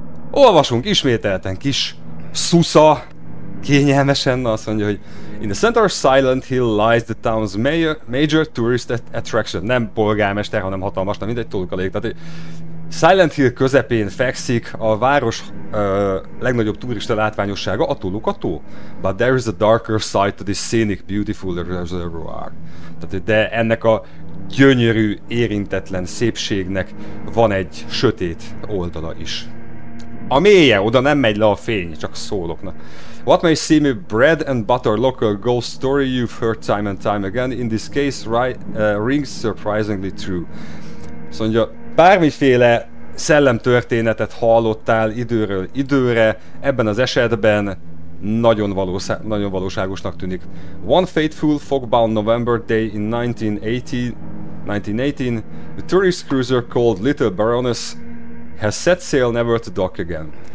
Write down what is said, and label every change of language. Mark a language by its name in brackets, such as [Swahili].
[Hungarian] Olvasunk ismételten, kis szusza! Kényelmesen, na azt mondja, hogy... [English] In the center of Silent Hill lies the town's major tourist attraction. [Hungarian] Nem polgármester, hanem hatalmas, na mindegy, túl kalég. Tehát, Silent Hill közepén fekszik a város legnagyobb turista látványossága, a túlukató. [English] But there is a darker side to this scenic, beautiful reservoir. [Hungarian] Tehát, de ennek a gyönyörű, érintetlen szépségnek van egy sötét oldala is. A mélye, oda nem megy le a fény, csak szólok. Na. [English] What may seem a bread and butter local ghost story you've heard time and time again, in this case rings surprisingly true. [Hungarian] Szóval, bármiféle szellemtörténetet hallottál időről időre, ebben az esetben nagyon valóságosnak tűnik. [English] One fateful fogbound November day in 1918, a tourist cruiser called Little Baroness has set sail never to dock again.